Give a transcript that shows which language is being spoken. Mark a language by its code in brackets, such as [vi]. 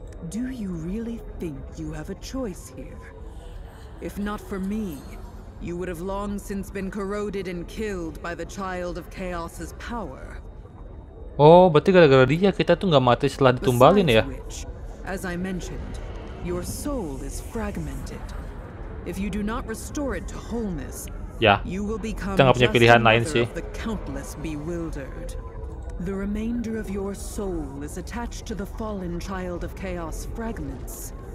[en] Do you really think you have a choice here? If not for me, you would have long since been corroded and killed by the Child of Chaos's power. [id] Oh, berarti gara-gara dia kita tuh nggak mati setelah ditumbalin ya? [en] Which, as I mentioned, your soul is fragmented. If you do not restore it to wholeness. [id] Ya, kita nggak punya pilihan lain sih. [en] The countless bewildered. The remainder of your soul is attached to the fallen Child of Chaos fragments.